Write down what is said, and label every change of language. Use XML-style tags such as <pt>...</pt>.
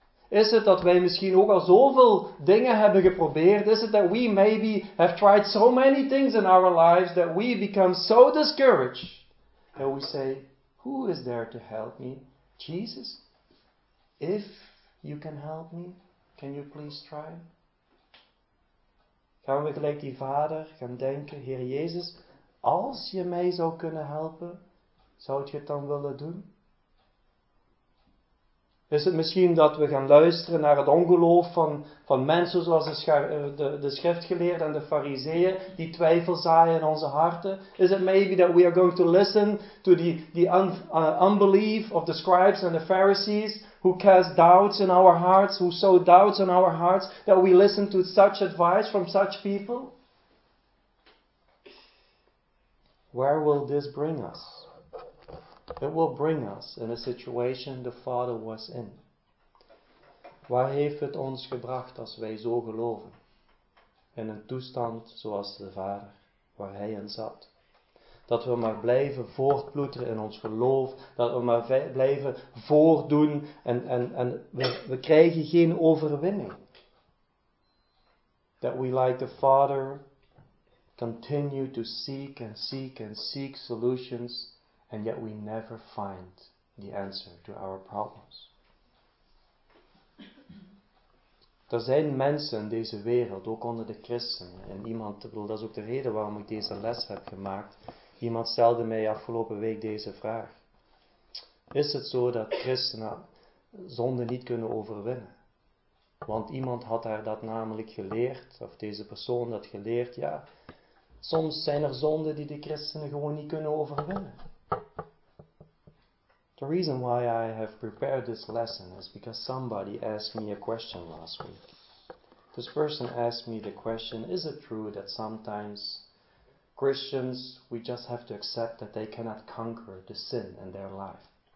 <nl>Is het dat wij misschien ook al zoveel dingen hebben geprobeerd?</nl> <en>Is it that we maybe have tried so many things in our lives that we become so discouraged that we say, who is there to help me? Jesus? If you can help me, can you please try?</en> <nl>Gaan we gelijk die vader gaan denken, Heer Jezus, als je mij zou kunnen helpen, zou je het dan willen doen? Is het misschien dat we gaan luisteren naar het ongeloof van mensen zoals de schriftgeleerden en de fariseeën die twijfel zaaien in onze harten?</nl> <en>Is it maybe that we are going to listen to the unbelief of the scribes and the Pharisees who cast doubts in our hearts, who sow doubts in our hearts, that we listen to such advice from such people? Where will this bring us? It will bring us in a situation the Father was in.</en> <nl>Waar heeft het ons gebracht als wij zo geloven? In een toestand zoals de Vader, waar Hij in zat. Dat we maar blijven voortploeteren in ons geloof. Dat we maar blijven voordoen. En we krijgen geen overwinning.</nl> <en>That we like the Father continue to seek and seek and seek solutions. And yet we never find the answer to our problems.</en> <nl>Er zijn mensen in deze wereld, ook onder de christenen. En iemand, dat is ook de reden waarom ik deze les heb gemaakt. Iemand stelde mij afgelopen week deze vraag. Is het zo dat christenen zonde niet kunnen overwinnen? Want iemand had haar dat namelijk geleerd, of deze persoon dat geleerd. Ja, soms zijn er zonden die de christenen gewoon niet kunnen overwinnen.</nl> <en>The reason why I have prepared this lesson is because somebody asked me a question last week. This person asked me the question, is it true that sometimes Christians, we just have to accept that they cannot conquer the sin in their life?</en>